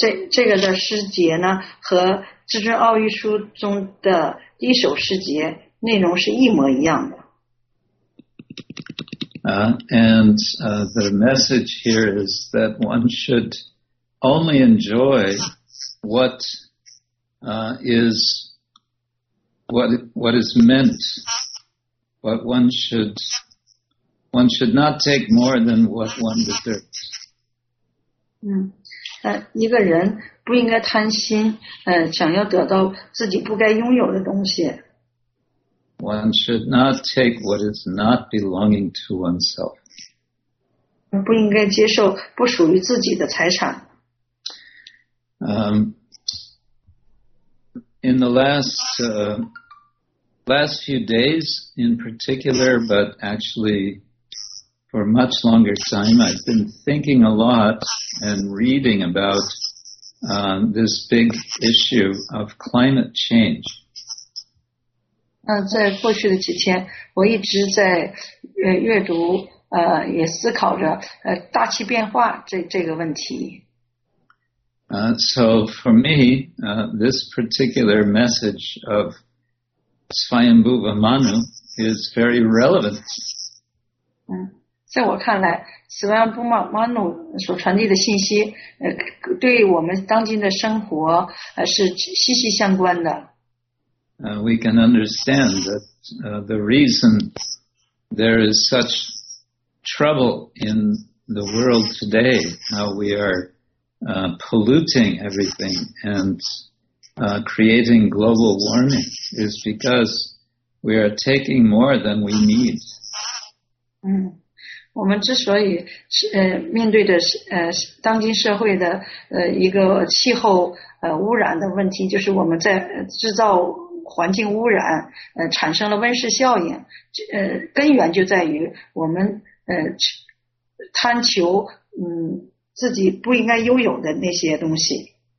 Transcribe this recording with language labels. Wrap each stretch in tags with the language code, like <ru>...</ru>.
<zh>这个的诗节呢，和至尊奥义书中的第一首诗节内容是一模一样的。</zh> <en>The message here is that one should only enjoy what is meant. But one should not take more than what one deserves.</en> <zh>一个人不应该贪心，想要得到自己不该拥有的东西。</zh> <en>One should not take what is not belonging to oneself.</en> <zh>不应该接受不属于自己的财产。</zh> <en>In the last few days in particular, but actually for much longer time, I've been thinking a lot and reading about this big issue of climate change.</en> <zh>在过去的几天，我一直在阅读，也思考着大气变化这个问题。</zh> <en>So for me, this particular message of Svayambhuva Manu is very relevant.</en> <zh>在我看来 ，Svayambhuva Manu 所传递的信息，对我们当今的生活是息息相关的。</zh> <en>We can understand that the reason there is such trouble in the world today, how we are polluting everything and creating global warming is because we are taking more than we need.</en> <zh>我们之所以面对的当今社会的一个气候污染的问题，就是我们在制造环境污染，产生了温室效应，根源就在于我们贪求自己不应该拥有的那些东西。</zh>